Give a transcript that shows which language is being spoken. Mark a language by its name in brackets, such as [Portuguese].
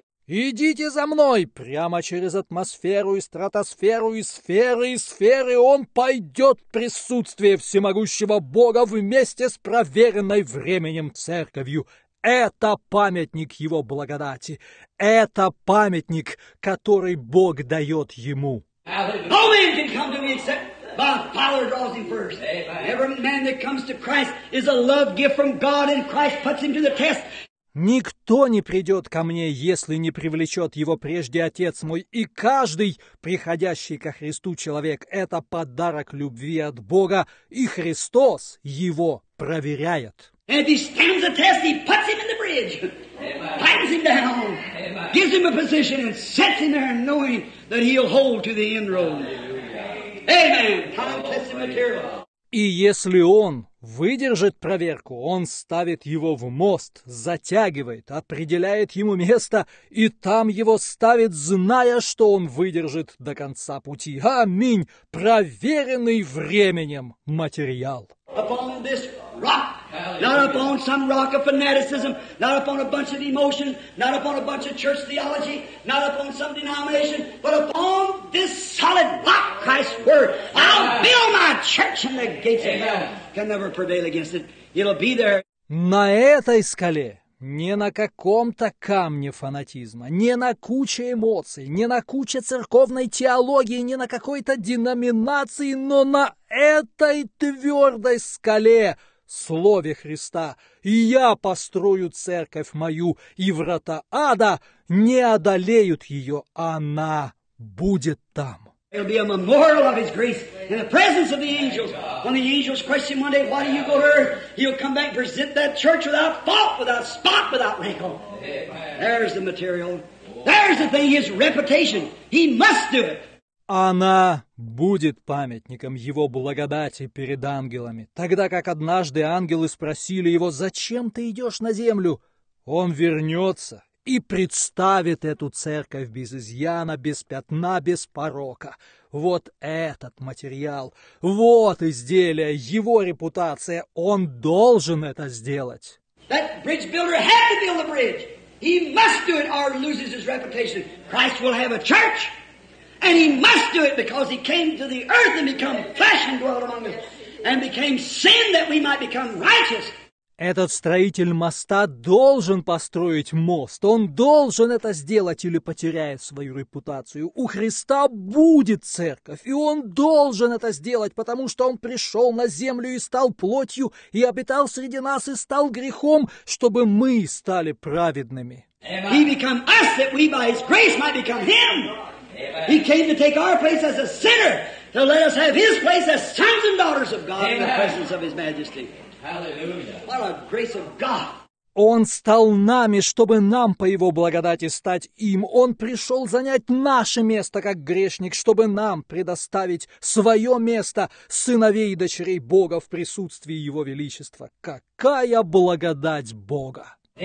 [Russian] Идите за мной прямо через атмосферу и стратосферу и сферы, он пойдет в присутствие всемогущего Бога вместе с проверенной временем церковью. Это памятник его благодати. Это памятник, который Бог дает ему. [English] No man can come to me except by power draws him first. Every man that comes to Christ is a love gift from God, and Christ puts him to the test. [Russian] Никто не придет ко мне, если не привлечет его прежде Отец мой, и каждый, приходящий ко Христу человек, это подарок любви от Бога, и Христос его проверяет. [English] And if he stands the test, he puts him in the bridge, tightens him down, Amen. Gives him a position, and sets him there knowing that he'll hold to the end road. Amen. Time, test, and material. [Russian] И если он выдержит проверку, он ставит его в мост, затягивает, определяет ему место, и там его ставит, зная, что он выдержит до конца пути. Аминь! Проверенный временем материал. [English] Upon this rock, not upon some rock of fanaticism, not upon a bunch of emotion, not upon a bunch of church theology, not upon some denomination, but upon this solid rock, Christ's word, I'll build my church and the gates of hell can never prevail against it. It'll be there. [Russian] На этой скале, не на каком-то камне фанатизма, не на куче эмоций, не на куче церковной теологии, не на какой-то деноминации, но на этой твердой скале, Слове Христа, я построю церковь мою, и врата ада не одолеют ее, она будет там. [English] It'll be a memorial of his grace in the presence of the angels. When the angels question one day, why do you go to earth? He'll come back and present that church without fault, without spot, without wrinkle. Amen. There's the material. There's the thing, his reputation. He must do it. [Russian] Она будет памятником его благодати перед ангелами. Тогда как однажды ангелы спросили его, зачем ты идешь на землю? Он вернется и представит эту церковь без изъяна, без пятна, без порока. Вот этот материал, вот изделие, его репутация, он должен это сделать. [English] That bridge builder had to build a bridge. He must do it or loses his reputation. Christ will have a church, and he must do it because he came to the earth and become flesh and dwelt among us, and became sin that we might become righteous. [Russian] Этот строитель моста должен построить мост. Он должен это сделать или потеряет свою репутацию. У Христа будет церковь, и он должен это сделать, потому что он пришел на землю и стал плотью, и обитал среди нас, и стал грехом, чтобы мы стали праведными. [English] He became us, that we by his grace might become him. He came to take our place as a sinner, to let us have his place as sons and daughters of God in the presence of his majesty. What a grace of God. [Russian] Он стал нами, чтобы нам по его благодати стать им. Он пришел занять наше место как грешник, чтобы нам предоставить свое место сыновей и дочерей Бога в присутствии его величества. Какая благодать Бога!